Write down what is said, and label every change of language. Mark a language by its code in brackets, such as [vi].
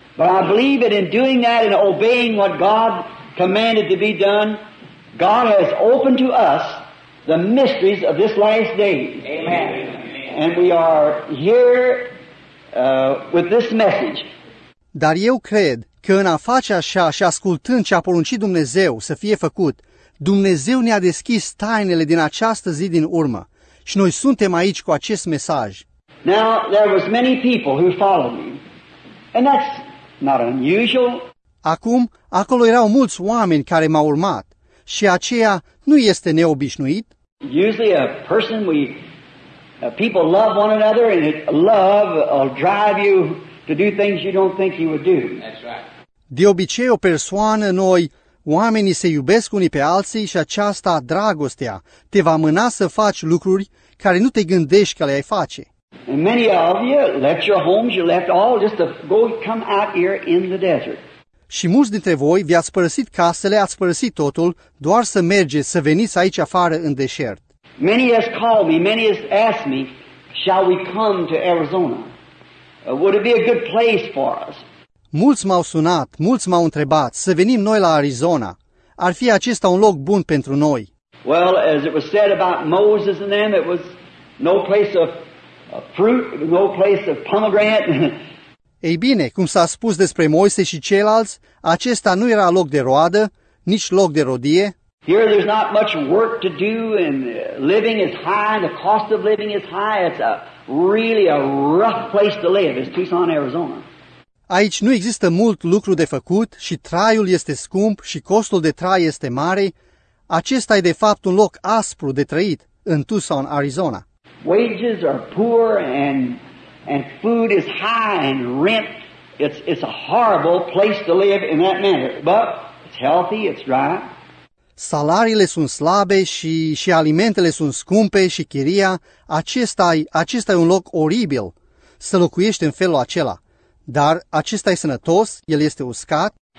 [en] But I believe that in doing that and obeying what God commanded to be done, God has opened to us the mysteries of this last day. Amen. And we are here with this message. [ro] Dar eu cred că în a face așa și ascultând ce a poruncit Dumnezeu să fie făcut, Dumnezeu ne-a deschis tainele din această zi din urmă și noi suntem aici cu acest mesaj. [en] Now, there was many people who followed me, and that's not unusual. [ro] Acum, acolo erau mulți oameni care m-au urmat și aceea nu este neobișnuit. [en] Usually a person we People love one another, and love will drive you to do things you don't think you would do. That's right. [ro] De obicei o persoană noi, oamenii se iubesc unii pe alții și aceasta, dragostea, te va mâna să faci lucruri care nu te gândești că le-ai face. [en] And many of you left your homes, you left all just to go come out here in the desert. [ro] Și mulți dintre voi v-ați părăsit casele, ați părăsit totul, doar să mergeți, să veniți aici afară în deșert. [en] Many has called me, many has asked me, shall we come to Arizona? Would it be a good place for us? [ro] Mulți m-au sunat, mulți m-au întrebat, să venim noi la Arizona. Ar fi acesta un loc bun pentru noi? [en] Well, as it was said about Moses and them, it was no place of fruit, no place of pomegranate. [ro] Ei bine, cum s-a spus despre Moise și ceilalți, acesta nu era loc de roadă, nici loc de rodie. [en] Here there's not much work to do and living is high, the cost of living is high. It's a really a rough place to live. It's Tucson, Arizona. [ro] Aici nu există mult lucru de făcut și traiul este scump și costul de trai este mare. Acesta e de fapt un loc aspru de trăit în Tucson, Arizona. [en] Wages are poor and food is high and rent. It's a horrible place to live in that manner. But it's healthy, it's dry. [ro] Salariile sunt slabe și alimentele sunt scumpe și chiria. Acesta e un loc oribil să locuiești în felul acela. Dar acesta e sănătos, el este uscat.